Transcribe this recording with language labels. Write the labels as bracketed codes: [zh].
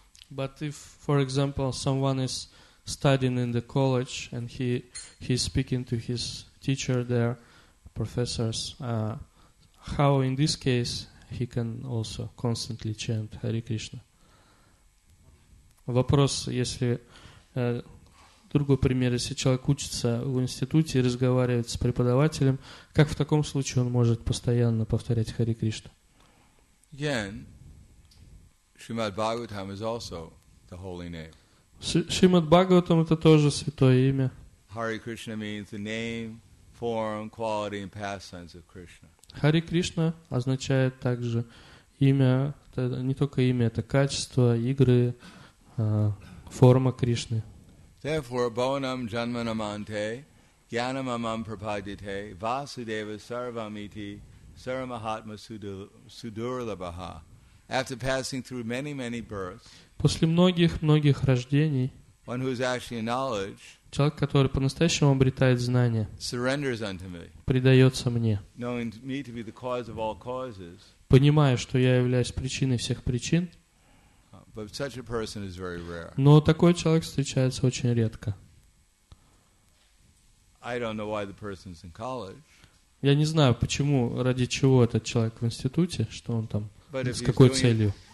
[en] But if, for example, someone is studying in the college and he's speaking to his teacher there, professors, how in this case he can also constantly chant Hare Krishna? [ru] Вопрос, если другой пример, если человек учится в институте и разговаривает с преподавателем, как в таком случае он может постоянно повторять Hare Krishna? [en] Again. Shrimad Bhagavatam is also the holy name. [ru] Shrimad Bhagavatam это тоже святое имя. [en] Hare Krishna means the name, form, quality, and past sense of Krishna. [ru] Hare Krishna означает также имя, не только имя, это качество, игры, форма Кришны. [sa] Therefore, bhavanam janmanamante, gyanamamam prapadite, vasudeva sarvamiti, saramahatma sudurlabaha. [en] After passing through many, many births, [ru] после многих-многих рождений, [en] one who is actually knowledge, [ru] человек, который по-настоящему обретает знания, [en] surrenders unto me, [ru] предается мне, [en] knowing me to be the cause of all causes, [ru] понимая, что я являюсь причиной всех причин, [en] but such a person is very rare. [ru] Но такой человек встречается очень редко. [en] I don't know why the person is in college. [ru] Я не знаю, почему, ради чего этот человек в институте, что он там, с какой целью.